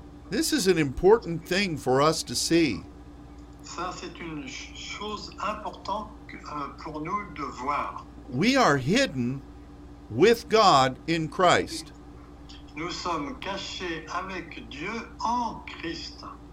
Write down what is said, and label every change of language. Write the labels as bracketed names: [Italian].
[English] This is an important thing for us to see. [French] Ça, c'est une chose importante pour nous de voir. [English] We are hidden with God in Christ. [French] Nous sommes cachés avec Dieu en Christ.